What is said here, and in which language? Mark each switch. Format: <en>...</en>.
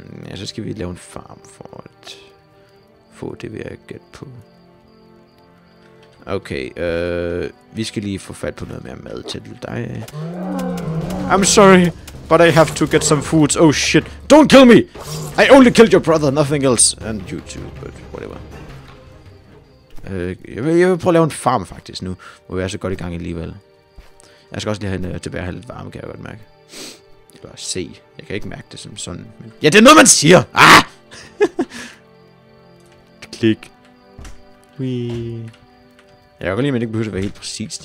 <da>Ja, så skal vi lave en farm for at få det, vi har gæt på. Okay, vi skal lige få fat på noget mere mad til dig.</da> <en>I'm sorry, but I have to get some food. Oh shit, don't kill me! I only killed your brother, nothing else. And you too, but whatever.</en> <da>Jeg vil prøve at lave en farm faktisk nu, hvor vi er så godt i gang alligevel. Jeg skal også lige have tilbage have lidt varme, kan jeg godt mærke. Eller se. Jeg kan ikke mærke det som sådan. Men... ja, det er noget, man siger! Ah! Klik. Wee. Jeg kan godt lide, at man ikke behøver at være helt præcis.</da>